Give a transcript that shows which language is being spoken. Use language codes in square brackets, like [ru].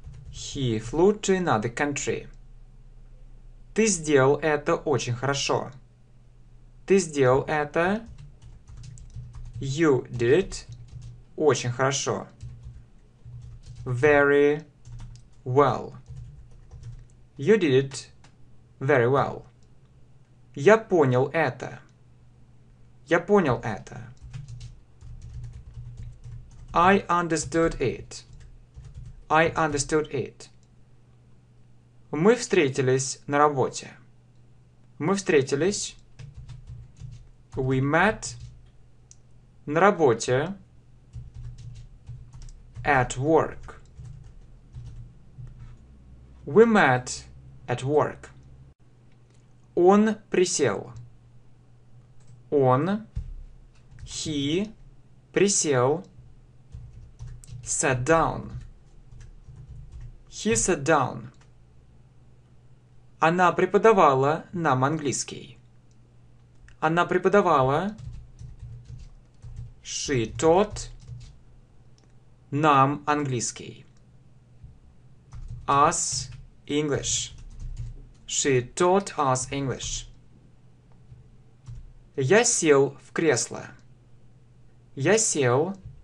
[en] He flew to another country. [ru] Ты сделал это очень хорошо. Ты сделал это. [en] You did it. [ru] Очень хорошо. [en] Very well. You did it very well. [ru] Я понял это. Я понял это. [en] I understood it. I understood it. [ru] Мы встретились на работе. Мы встретились. [en] We met [ru] на работе. [en] At work. We met at work. [ru] Он присел. Он. [en] He присел. Sat down. He sat down. [ru] Она преподавала нам английский. Она преподавала. [en] She taught [ru] нам английский. [en] Us English. She taught us English. [ru] Я сел в кресло. Я сел.